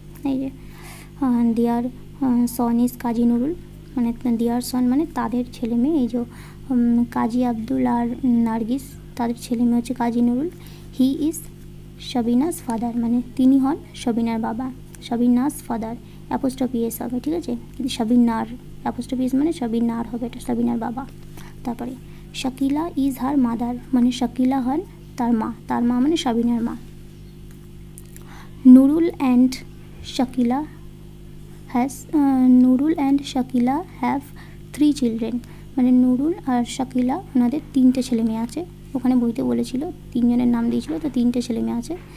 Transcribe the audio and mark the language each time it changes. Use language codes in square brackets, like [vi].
[bn] এই যে [en] their son is [bn] কাজী নুরুল মানে [en] their son [bn] মানে তাদের ছেলে মেয়ে, এই যে কাজী আব্দুল আর নার্গিস তাদের ছেলে মেয়ে হচ্ছে কাজী Nurul, [en] he is Sabina's father [bn] মানে তিনি হন সাবিনার বাবা, [en] Sabina's father apostrophe s [bn] হবে, ঠিক আছে? কিন্তু সাবিনার অ্যাপোস্ট্রোফিস মানে সাবিনার হবে, এটা সাবিনার বাবা। তারপরে [en] Shakila is her mother [bn] মানে শাকিলা হন তার মা মানে সাবিনার মা, [en] Nurul and Shakila has Nurul and Shakila have three children. [bn] মানে নুরুল আর শাকিলা ওনাদের তিনটে ছেলে মেয়ে আছে। ওখানে বইতে বলেছিল তিনজনের নাম দিয়েছিল, তো তিনটে ছেলে মেয়ে আছে।